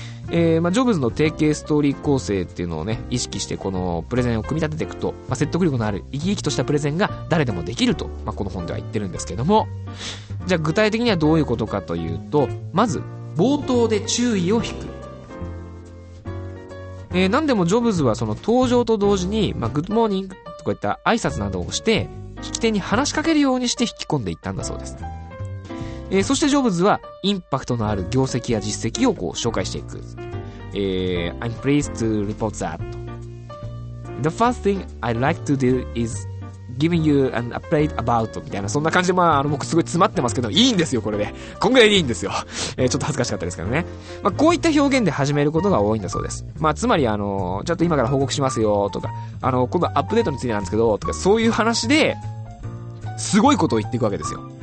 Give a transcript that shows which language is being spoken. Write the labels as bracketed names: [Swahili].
[Japanese] ジョブズの定型ストーリー構成っていうのをね、意識してこのプレゼンを組み立てていくと、説得力のある生き生きとしたプレゼンが誰でもできると、この本では言ってるんですけども、じゃあ具体的にはどういうことかというと、まず冒頭で注意を引く。何でもジョブズはその登場と同時に、グッドモーニングとこういった挨拶などをして、聞き手に話しかけるようにして引き込んでいったんだそうです。そしてジョブズはインパクトのある業績や実績をこう紹介していく。 [English] I'm pleased to report that. The first thing I'd like to do is giving you an update about [Japanese] みたいな、そんな感じで、まあ、僕すごい詰まってますけど、いいんですよ、これで。こんぐらいでいいんですよ。ちょっと恥ずかしかったですけどね。まあ、こういった表現で始めることが多いんだそうです。まあ、つまり、ちょっと今から報告しますよ、とか、今度アップデートについてなんですけど、とか、そういう話で、すごいことを言っていくわけですよ。